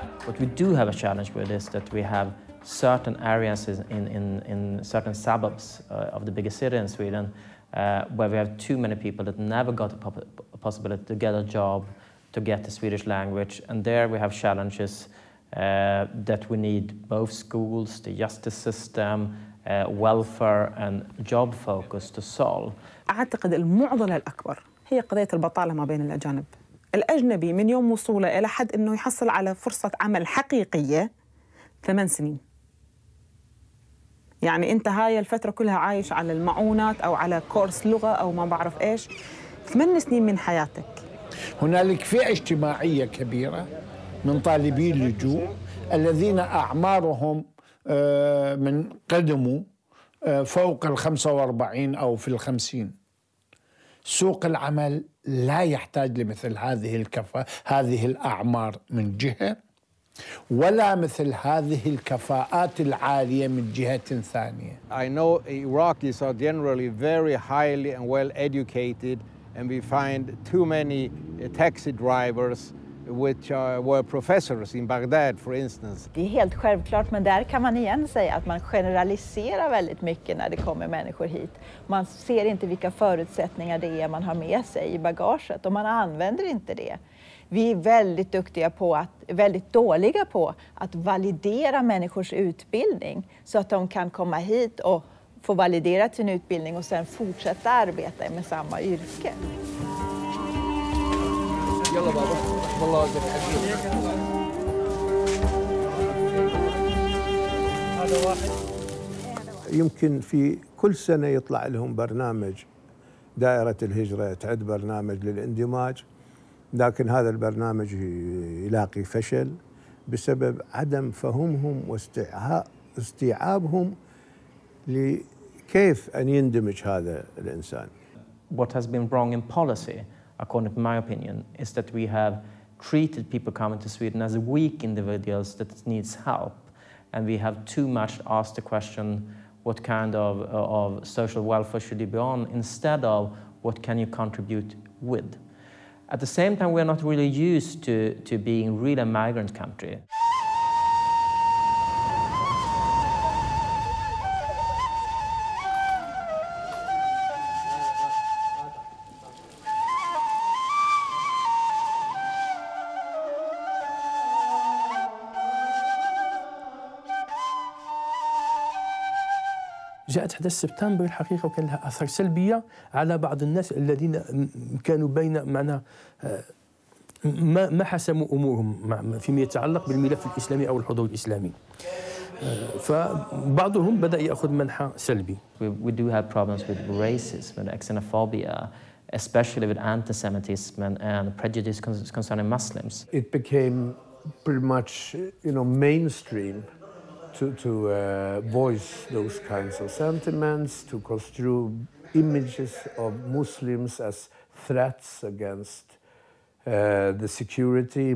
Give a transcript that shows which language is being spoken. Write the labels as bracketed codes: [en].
[en] But we do have a challenge with this, that we have certain areas in certain suburbs of the biggest city in Sweden where we have too many people that never got a possibility to get a job, to get the Swedish language. And there we have challenges that we need both schools, the justice system, welfare and job focus to solve. I think the biggest problem is the problem between the foreigners. [ar] الأجنبي من يوم وصوله إلى حد أنه يحصل على فرصة عمل حقيقية 8 سنين. يعني أنت هاي الفترة كلها عايش على المعونات أو على كورس لغة أو ما بعرف إيش، 8 سنين من حياتك. هنالك فئة اجتماعية كبيرة من طالبي اللجوء الذين أعمارهم من قدموا فوق 45 أو في 50. سوق العمل لا يحتاج لمثل هذه الكفة، هذه الأعمار من جهة، ولا مثل هذه الكفاءات العالية من جهة ثانية. [en] I know Iraqis are generally very highly and well educated, and we find too many taxi drivers which were professors in Baghdad, for instance. [sv] Det är helt självklart, men där kan man igen säga att man generaliserar väldigt mycket när det kommer människor hit. Man ser inte vilka förutsättningar det är man har med sig i bagaget och man använder inte det. Vi är väldigt duktiga på att, väldigt dåliga på att validera människors utbildning så att de kan komma hit och få validera sin utbildning och sen fortsätta arbeta med samma yrke. [ar] يمكن في كل سنة يطلع لهم برنامج دائرة الهجرة تعد برنامج للاندماج، لكن هذا البرنامج يلاقي فشل بسبب عدم فهمهم واستيعابهم لكيف أن يندمج هذا الإنسان. [en] What has been wrong in policy, according to my opinion, is that we have treated people coming to Sweden as weak individuals that needs help. And we have too much asked the question, what kind of social welfare should you be on, instead of what can you contribute with? At the same time, we're not really used to being really a migrant country. [ar] جاءت أحداث سبتمبر الحقيقة وكان لها أثر سلبية على بعض الناس الذين كانوا بين معنا ما حسموا أمورهم فيما يتعلق بالملف الإسلامي أو الحضور الإسلامي، فبعضهم بدأ يأخذ منحى سلبي. [en] We do have problems with racism and xenophobia, especially with antisemitism and prejudice concerning Muslims. It became pretty much, you know, mainstream to voice those kinds of sentiments, to construe images of Muslims as threats against the security.